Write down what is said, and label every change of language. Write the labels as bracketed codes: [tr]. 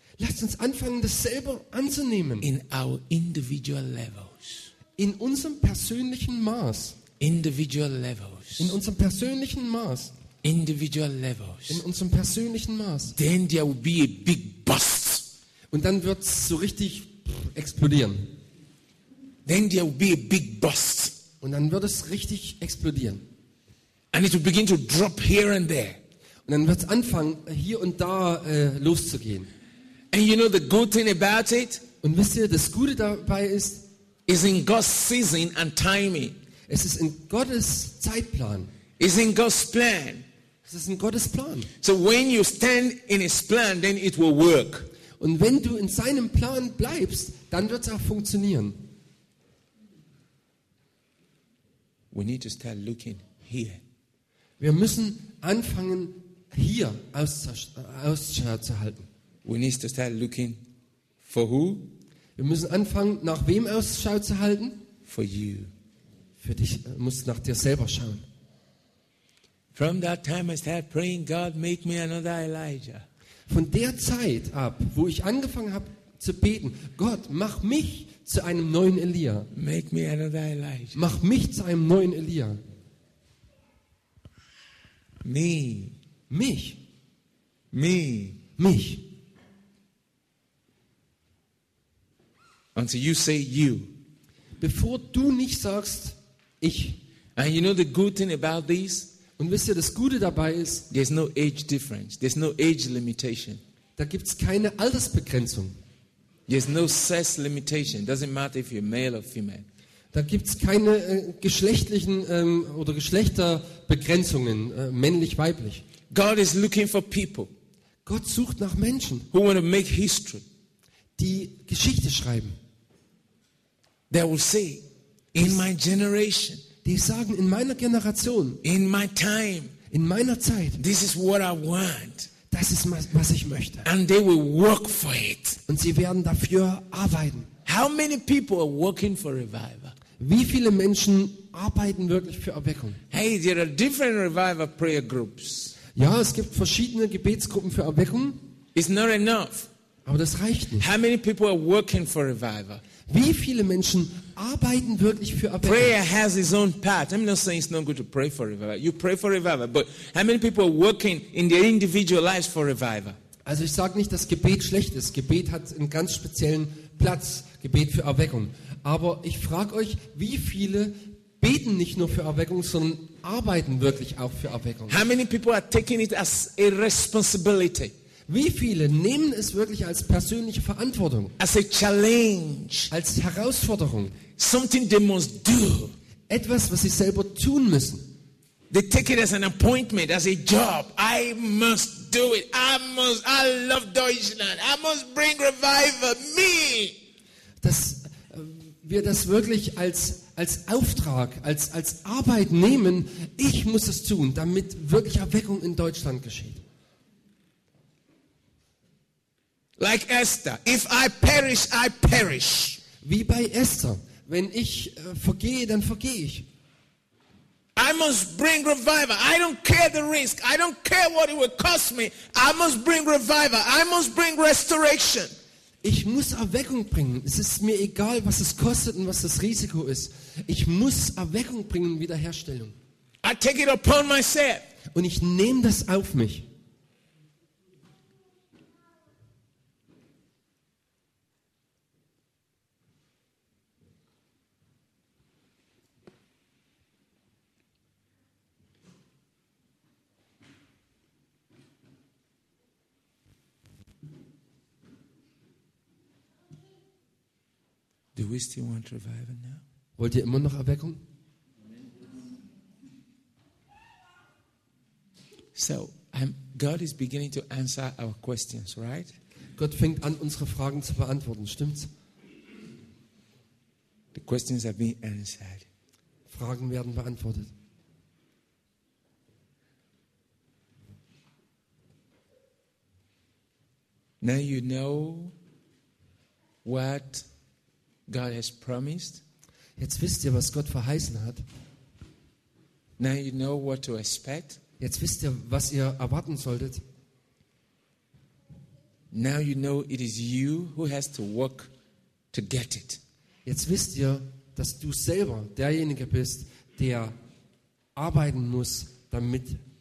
[de] Lasst uns anfangen, das selber anzunehmen. [en] In our individual levels. [de] In unserem persönlichen Maß. [en] Individual levels. [de] In unserem persönlichen Maß. [en] individual levels. [de] In unserem persönlichen Maß. [en] Then there will be a big bust. [de] Und dann wird es so richtig explodieren. [en] Then there will be a big bust. [de] Und dann wird es richtig explodieren. [en] And it will begin to drop here and there. [de] Und dann wird es anfangen, hier und da loszugehen. [en] And you know the good thing about it? [de] Und wisst ihr, das Gute dabei ist, [en] is in God's season and timing. [de] Es ist in Gottes Zeitplan. [en] Is in God's plan. [de] Es ist in Gottes Plan. [en] So when you stand in his plan, then it will work. [de] Und wenn du in seinem Plan bleibst, dann wird es auch funktionieren. [en] We need to start looking here. [de] Wir müssen anfangen, hier Ausschau zu halten. [en] We need to start looking for who? [de] Wir müssen anfangen, nach wem Ausschau zu halten? [en] For you. [de] Für dich, musst nach dir selber schauen. [en] From that time I started praying, God, make me another Elijah. [de] Von der Zeit ab, wo ich angefangen habe zu beten, Gott, mach mich zu einem neuen Elia. [en] Make me another Elijah. [de] Mach mich zu einem neuen Elia. [en] Me. [de] Mich. [en] Me. [de] Mich. [en] Until you say you. [de] Bevor du nicht sagst, ich. [en] And you know the good thing about this? [de] Und wisst ihr, das Gute dabei ist, [en] there's no age difference. There's no age limitation. [de] Da gibt's keine Altersbegrenzung. [en] There's no sex limitation. Doesn't matter if you're male or female. [de] Da gibt's keine geschlechtlichen oder Geschlechterbegrenzungen, männlich, weiblich. [en] God is looking for people. [de] Gott sucht nach Menschen, [en] who want to make history. [de] Die Geschichte schreiben. [en] They will say, in my generation. [de] Die sagen, in meiner Generation, [en] in my time, [de] in meiner Zeit, [en] this is what I want, [de] das ist, was ich möchte. [en] And they will work for it. [de] Und sie werden dafür arbeiten. [en] How many people are working for revival? [de] Wie viele Menschen arbeiten wirklich für Erweckung? [en] Hey, there are different revival prayer groups. [de] Ja, es gibt verschiedene Gebetsgruppen für Erweckung. [en] It's not enough. [de] Aber das reicht nicht. [en] How many people are working for revival? [de] Wie viele Menschen arbeiten wirklich für Erweckung? [en] Prayer has its own path. I'm not saying it's not good to pray for revival. You pray for revival, but how many people are working in their individual lives for revival? [de] Also ich sage nicht, dass Gebet schlecht ist. Gebet hat einen ganz speziellen Platz, Gebet für Erweckung. Aber ich frage euch, wie viele beten nicht nur für Erweckung, sondern arbeiten wirklich auch für Erweckung? [en] How many people are taking it as a responsibility? [de] Wie viele nehmen es wirklich als persönliche Verantwortung? [en] As a challenge. [de] Als Herausforderung. [en] Something they must do. [de] Etwas, was sie selber tun müssen. [en] They take it as an appointment, as a job. I must do it. I love Deutschland. I must bring revival. Me. [de] Dass wir das wirklich als Auftrag, als Arbeit nehmen. Ich muss es tun, damit wirklich Erweckung in Deutschland geschieht. [en] Like Esther, if I perish, I perish. [de] Wie bei Esther, wenn ich vergehe, dann vergehe ich. [en] I must bring revival. I don't care the risk. I don't care what it will cost me. I must bring revival. I must bring restoration. [de] Ich muss Erweckung bringen. Es ist mir egal, was es kostet und was das Risiko ist. Ich muss Erweckung bringen, Wiederherstellung. [en] I take it upon myself. [de] Und ich nehme das auf mich. [en] Do we still want revival now? [de] Wollt ihr immer noch Erweckung? [en] So, God is beginning to answer our questions, right? [de] Gott fängt an, unsere Fragen zu beantworten, stimmt's? [en] The questions are being answered. [de] Fragen werden beantwortet. [en] Now you know what God has promised. [de] Jetzt wisst ihr, was Gott verheißen hat. [en] Now you know what to expect. [de] Jetzt wisst ihr, was ihr erwarten solltet. [en] Now you know it is you who has to work to get it. [de] Jetzt wisst ihr, dass du selber derjenige bist, der arbeiten muss, damit